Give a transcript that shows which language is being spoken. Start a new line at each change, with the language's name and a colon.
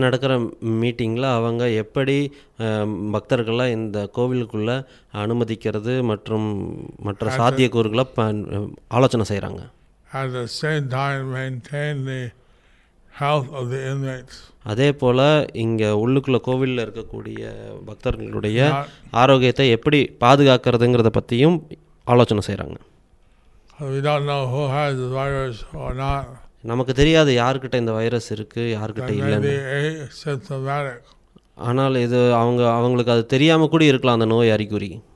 Tamil: நடக்கிற மீட்டிங்கில் அவங்க எப்படி பக்தர்களை இந்த கோவிலுக்குள்ளே அனுமதிக்கிறது மற்றும் மற்ற சாத்தியக்கூறுகளை ஆலோசனை செய்கிறாங்க.
English: Health of the inmates.
Tamil: அதே போல் இங்கே உள்ளுக்குள்ளே கோவிலில் இருக்கக்கூடிய பக்தர்களுடைய ஆரோக்கியத்தை எப்படி பாதுகாக்கிறதுங்கிறத பற்றியும் ஆலோசனை செய்கிறாங்க.
English: We don't know who has the virus or not.
Tamil: நமக்கு தெரியாது யாருக்கிட்ட இந்த வைரஸ் இருக்குது யாருக்கிட்ட இல்லைன்னு. ஆனால் இது அவங்களுக்கு அது தெரியாமல் கூட இருக்கலாம் அந்த நோய் அறிகுறி.